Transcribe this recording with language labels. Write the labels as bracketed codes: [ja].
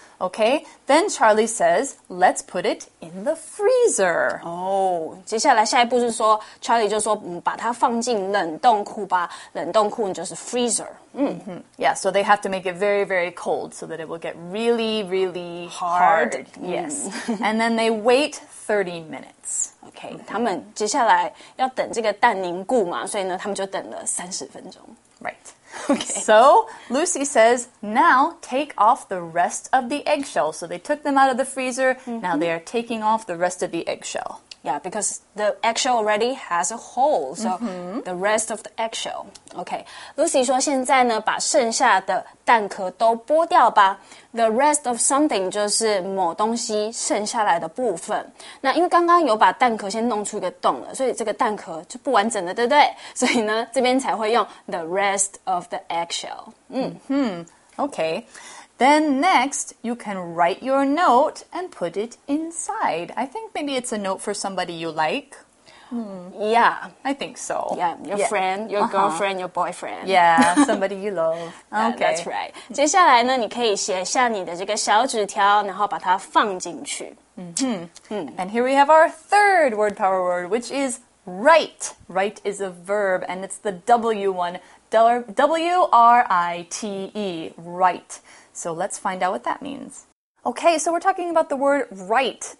[en] Okay, then Charlie says, let's put it in the freezer. [zh] 接下来下一步是说 Charlie 就说把它放进冷冻库吧冷冻库就是 freezer. [en] Yeah, so they have to make it very, very cold so that it will get really, really hard. Yes. And then they wait 30 minutes. [zh] Okay, 他们接下来要等这个蛋凝固嘛所以呢他们就等了30分钟。 [en] Right. Okay. So, Lucy says, now take off the rest of the eggshell. So they took them out of the freezer. Now they are taking off the rest of the eggshell. Yeah, because the eggshell already has a hole. So the rest of the eggshell. [zh] Okay. Lucy 说现在呢把剩下的蛋壳都剥掉吧。 The rest of something 就是某东西剩下来的部分。那因为刚刚有把蛋壳先弄出一个洞了所以这个蛋壳就不完整了对不对所以呢这边才会用 the rest of the eggshell. [en] Okay. Then next, you can write your note and put it inside. I think maybe it's a note for somebody you like. Yeah. I think so. Yeah, friend, your girlfriend, your boyfriend. Yeah, somebody you love. Okay. Yeah, that's right. [zh] 接下来呢你可以写下你的这个小纸条然后把它放进去。 [en] And here we have our third word power word, which is write. Write is a verb, and it's the W one. W-R-I-T-E, write. So let's find out what that means. Okay, so we're talking about the word write.